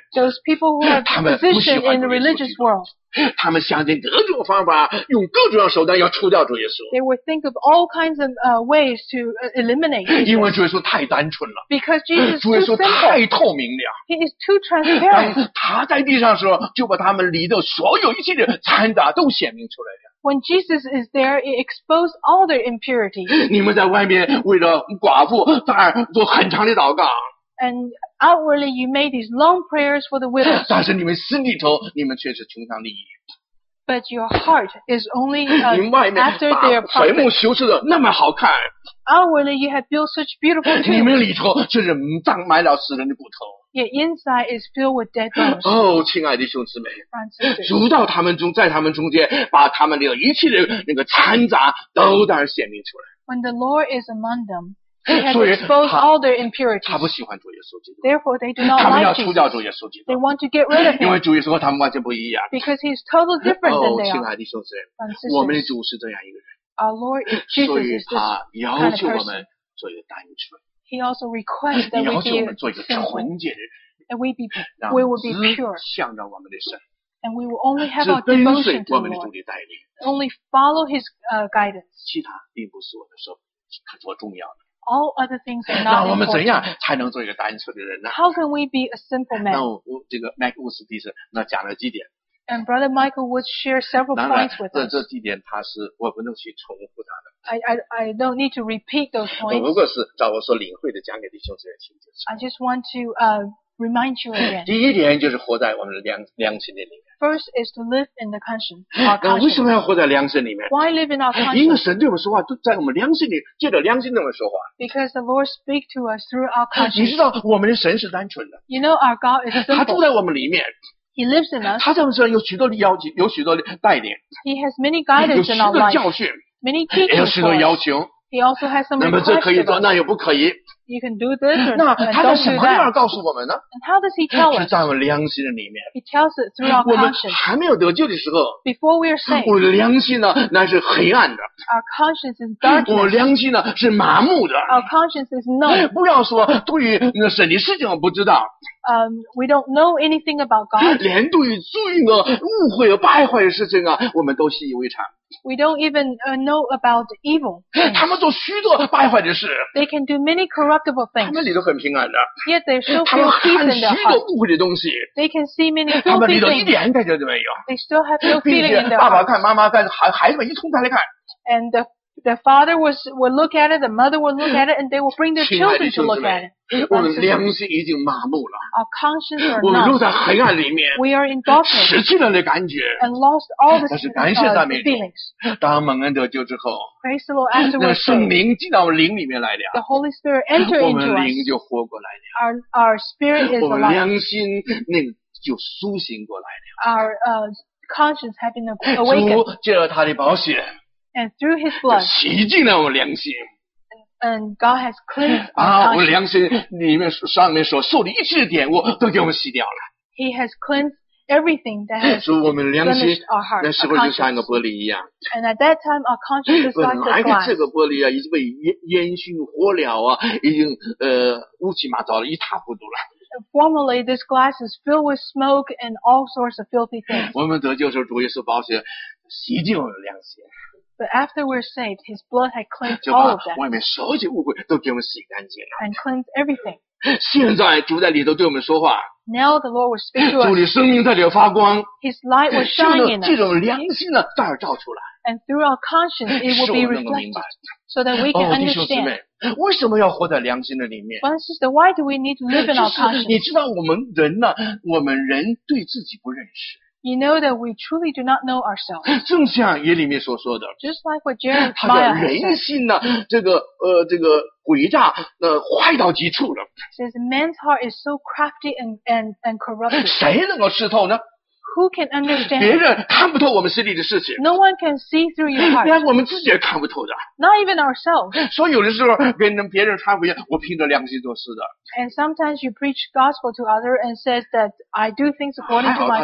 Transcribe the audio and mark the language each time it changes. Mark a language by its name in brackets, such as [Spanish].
[English] Those people who have position in the religious world. [Chinese] 他们想尽各种方法，用各种手段要除掉主耶稣。 [English] They would think of all kinds of ways to eliminate him. [Chinese] 因为主耶稣太单纯了。 [English] Because Jesus is too simple. [Chinese] 主耶稣太透明了。 [English] He is too transparent. [Chinese] 他在地上的时候，就把他们离的所有一切的掺杂都显明出来了。 [English] When Jesus is there, it exposed all their impurities. [Chinese] 你们在外面为了寡妇，反而做很长的祷告。 [English] And outwardly, you made these long prayers for the widows. [Chinese] 但是你们心里头，你们却是穷乡僻壤。 [English] But your heart is only after their profit. [Chinese] 你外面把坟墓修饰的那么好看。 [English] Outwardly, you have built such beautiful tombs. [Chinese] 你们里头却是葬埋了死人的骨头。 [English] Yet inside is filled with dead bones. [Chinese] 哦，亲爱的兄姊妹，主到他们中，在他们中间，把他们的一切的那个掺杂都当然显明出来。 [English] When the Lord is among them, he has exposed all their impurities. [Chinese] 他不喜欢主耶稣基督。 [English] Therefore, they do not like Jesus. [Chinese] 他们要除掉主耶稣基督。 [English] They want to get rid of him. [Chinese] 因为主耶稣和他们完全不一样。 [English] Because he is totally different than they are. [Chinese] 哦，亲爱的兄姊妹，我们的主是这样一个人。 [English] Our Lord Jesus is this kind of person. [Chinese] 所以他要求我们做一个单纯。 [English] He also requests that we be simple, and we will be pure, and we will only have our devotion to the Lord, only follow His guidance. [Chinese] 其他并不是我们所重要的。 [English] All other things are not important. [Chinese] 那我们怎样才能做一个单纯的人呢？ [English] How can we be a simple man? [Chinese] 那我这个麦克乌斯弟兄，那讲了几点？ [English] And Brother Michael would share several points with us. [Chinese] 这几点他是我不能去重复他的。 [English] I don't need to repeat those points. [Chinese] 如果是照我所领会的讲给弟兄姊妹听就是。 [English] I just want to remind you again. [Chinese] 第一点就是活在我们的良心的里面。 [English] First is to live in the conscience. [Chinese] 那为什么要活在良心里面？ [English] Why live in our conscience? [Chinese] 因为神对我们说话都在我们良心里，借着良心对我们说话。 [English] Because the Lord speaks to us through our conscience. [Chinese] 你知道我们的神是单纯的。 [English] You know our God is simple. [Chinese] 他住在我们里面。 [English] He lives in us. [Chinese] 他在我们身上有许多的要求，有许多的带领。 [English] He has many guidance in our life. [Chinese] 有许多教训。 [English] Many teachings. [Chinese] 有许多要求。 [English] He also has some requirements. [Chinese] 那么这可以做，那又不可以。 [English] You can do this or don't do that. [Chinese] 那他在什么地方告诉我们呢？ [English] And how does he tell us? [Chinese] 是在我们良心的里面。 [English] He tells it through our conscience. [Chinese] 我们还没有得救的时候。 [English] Before we are saved. [Chinese] 我的良心呢，那是黑暗的。 [English] Our conscience is darkness. [Chinese] 我良心呢是麻木的。 [English] Our conscience is numb. [Chinese] 不要说对于那神的事情我不知道。 [English] We don't know anything about God. [Chinese] 连对于罪恶、误会和败坏的事情啊，我们都习以为常。 [English] We don't even know about evil. [Chinese] 他们做许多败坏的事。 [English] They can do many corruptible things. [Chinese] 他们里头很平安的。 [English] Yet they still feel peace in their heart. [Chinese] 他们看许多污秽的东西。 [English] They can see many filthy things. [Chinese] 他们里头一点感觉都没有。 [English] They still have no feeling in their heart. [Chinese] 爸爸看，妈妈看，孩子们一通拿来看。 [English] And the father would look at it, the mother would look at it, and they would bring their children to look at it. [Chinese] 我们良心已经麻木了。 [English] Our conscience are numb. [Chinese] 我们落在黑暗里面。 [English] We are in darkness. [Chinese] 失去了那感觉。 [English] And lost all the feelings. [Chinese] 当蒙恩得救之后。 [English] Praise the Lord afterwards. [Chinese] 那圣灵进到灵里面来了。 [English] The Holy Spirit entered into us. [Chinese] 我们灵就活过来了。 [English] Our spirit is alive. [Chinese] 我们良心那个就苏醒过来了。 [English] Our conscience has been awakened. [Chinese] 主借了他的宝血。 [English] And through his blood, [Chinese] 洗净了我良心。 [English] And God has cleansed our conscience. [Chinese] 我良心里面上面所受的一切的玷污都给我们洗掉了。 [English] He has cleansed everything that has blemished our heart. [Chinese] 我们良心 [English] our heart, [Chinese] 那时候就像一个玻璃一样。 [English] And at that time, our conscience is like glass. [Chinese] 本来的这个玻璃啊，已经被烟熏火燎啊，已经乌漆嘛糟了一塌糊涂了。 [English] Formerly, this glass is filled with smoke and all sorts of filthy things. [Chinese] 我们得救时候，主耶稣宝血洗净我的良心。 [English] But after we're saved, His blood had cleansed all of them. [Chinese] 就把外面所有的污秽都给我们洗干净了。 [English] And cleansed everything. [Chinese] 现在主在里头对我们说话。 [English] Now the Lord was speaking to us. [Chinese] 主的生命在里头发光。 [English] His light was shining in us. [Chinese] 这种良心呢，照照出来。 [English] And through our conscience, it will be reflected. So that we can understand. [Chinese] 弟兄姊妹，为什么要活在良心的里面？ [English] One sister, why do we need to live in our conscience? [Chinese] 就是你知道我们人呢，我们人对自己不认识。 [English] You know that we truly do not know ourselves. [Chinese] 正像耶利米所说的。 [English] Just like what Jeremiah said. [Chinese] 他叫人心呢，这个诡诈，坏到极处了。 [English] Says man's heart is so crafty and corrupted. [Chinese] 谁能够识透呢？ [English] Who can understand? [Chinese] 别人看不透我们心里的事情。 [English] No one can see through your heart. [Chinese] 连我们自己也看不透的。 [English] Not even ourselves. [Chinese] 所以有的时候别人传福音，我凭着良心做事的。 [English] And sometimes you preach gospel to others and says that I do things according to my conscience.